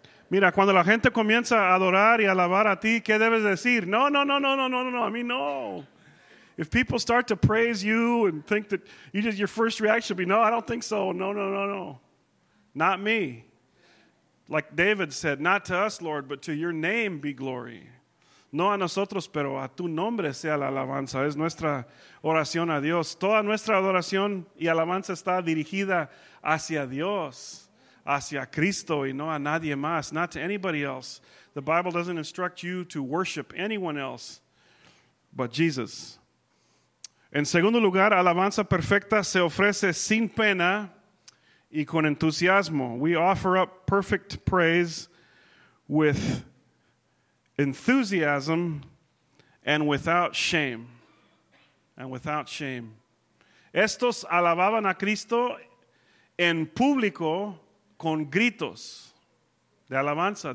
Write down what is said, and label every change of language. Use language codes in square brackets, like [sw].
[es] Mira, cuando la gente comienza a adorar y alabar a ti, ¿qué debes decir? [en] No, no, no, no, no, no, no, no. I mean, no. If people start to praise you and think that you just, your first reaction should be, no, I don't think so. No, no, no, no. Not me. Like David said, not to us, Lord, but to your name be glory. [es] No a nosotros, pero a tu nombre sea la alabanza. Es nuestra oración a Dios. Toda nuestra adoración y alabanza está dirigida hacia Dios, hacia Cristo, y no a nadie más, [en] not to anybody else. The Bible doesn't instruct you to worship anyone else but Jesus. [es] En segundo lugar, alabanza perfecta se ofrece sin pena y con entusiasmo. [en] We offer up perfect praise with enthusiasm and without shame. And without shame. [es] Estos alababan a Cristo en público con gritos de alabanza.